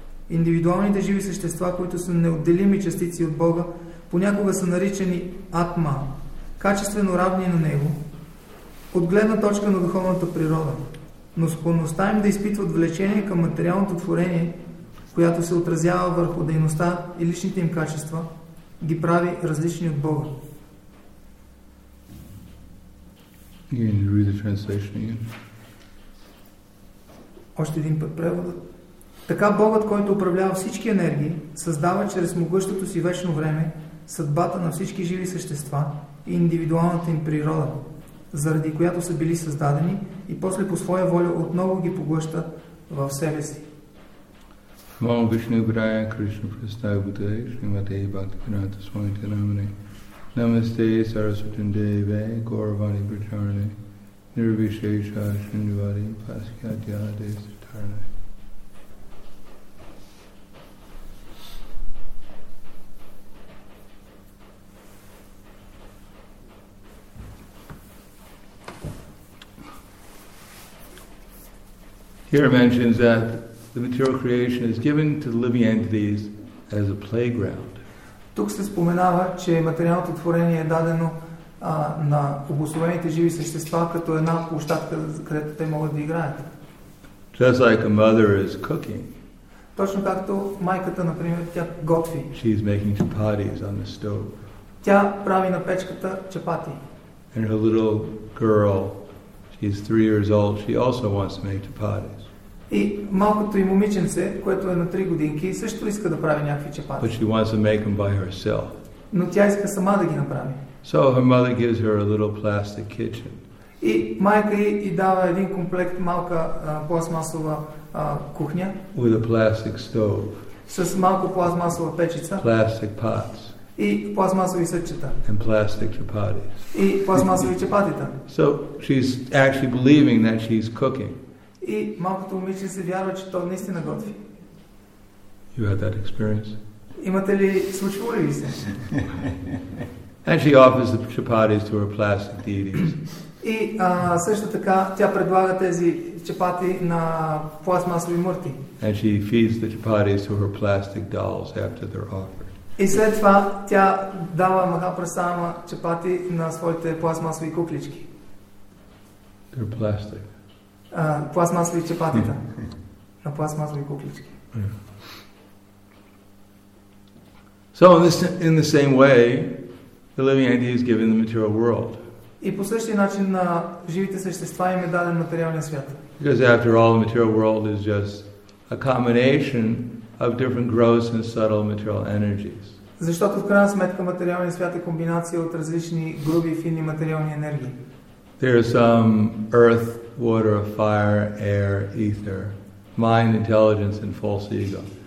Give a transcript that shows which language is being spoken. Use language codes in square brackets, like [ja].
[bg] Индивидуалните живи същества, които са неотделими частици от Бога, понякога са наричани атма, качествено равни на него, от гледна точка на духовната природа. Но склонността им да изпитват влечение към материалното творение, която се отразява върху дейността и личните им качества, ги прави различни от Бога. [en] Again, read the translation again. [bg] Още един път превода. Така Богът, който управлява всички енергии, създава чрез могъщото си вечно време съдбата на всички живи същества индивидуалната им природа, заради която са били създадени и после по своя воля отново ги поглъща в себе си. [sa] Мол Вишну Грая Кришна представи Бутай Шримате и Бхакти Пината Свамите Намане. Намасте Сарасутин Деве Горвани Причарне. Нирвишеша Шиндивари Паскья Дьяде Ситарне. [en] Here mentions that the material creation is given to the living entities as a playground. [bg] Тук се споменава, че материалното творение е дадено на обусловените живи същества като една площадка, където те могат да играят. [en] Just like a mother is cooking. [bg] Точно както майката, например, тя готви. [en] She is making chapatis on the stove. [bg] Тя прави на печката чапати. [en] And her little girl, she's 3 years old, she also wants to make chapatis. [bg] И малкото и момиченце, което е на 3 годинки, също иска да прави някакви чапати. [en] But she wants to make them by herself. [bg] Но тя иска сама да ги направи. [en] So her mother gives her a little plastic kitchen. [bg] И майка ѝ дава един комплект малка пластмасова кухня. [en] With a plastic stove. [bg] С малко пластмасова печица. [en] Plastic pots. [bg] И пластмасови съдчета. [en] And plastic chapatis. [bg] И пластмасови чапатита. [en] So she's actually believing that she's cooking. [bg] И малкото момиче се вярва, че то наистина готви. [en] You had that experience? [bg] Имате ли, случило ли се? [en] And she offers the chapatis to her plastic deities. [bg] И също така тя предлага тези чапати на пластмасови мъртви. [en] And she feeds the chapatis to her plastic dolls after they're offered. [bg] И след това тя дава маха пресама чапати на своите пластмасови куклички. [en] They're plastic. [bg] Пластмасови чапатита. На пластмасови куклички. [en] So in the same way, the living entity is given the material world. [bg] И по същия начин на живите същества им е даден материалния свят. [en] Because after all, the material world is just a combination of different gross and subtle material energies. [bg] Защото в крайна сметка материалният свят е комбинация от различни груби и фини материални енергии. [en] There is some earth, water, fire, air, ether, mind, intelligence, and false ego.